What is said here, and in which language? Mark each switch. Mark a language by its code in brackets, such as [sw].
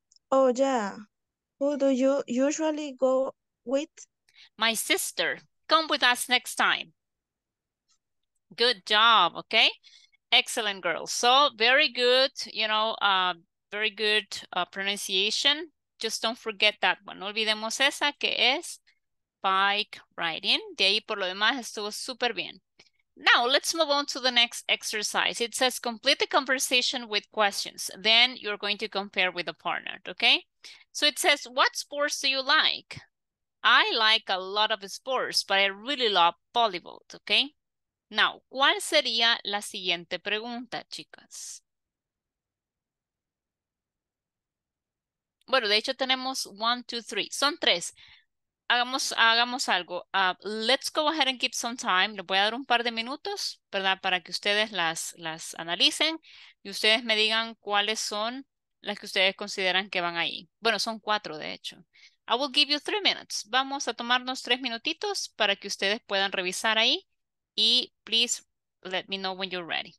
[en] Oh, yeah. Who do you usually go with? My sister. Come with us next time. Good job, okay? Excellent, girls. So very good, you know, very good pronunciation. Just don't forget that one. [es] No olvidemos esa que es bike riding. De ahí por lo demás estuvo súper bien. [en] Now let's move on to the next exercise. It says complete the conversation with questions. Then you're going to compare with a partner, okay? So it says, what sports do you like? I like a lot of sports, but I really love volleyball, okay? [es] Now, ¿cuál sería la siguiente pregunta, chicas? Bueno, de hecho tenemos 1, 2, 3. Son tres. Hagamos algo. [en] Let's go ahead and keep some time. [es] Les voy a dar un par de minutos, ¿verdad? Para que ustedes las analicen y ustedes me digan cuáles son las que ustedes consideran que van ahí. Bueno, son cuatro, de hecho. [en] I will give you 3 minutes. [es] Vamos a tomarnos 3 minutitos para que ustedes puedan revisar ahí. [en] Y please let me know when you're ready.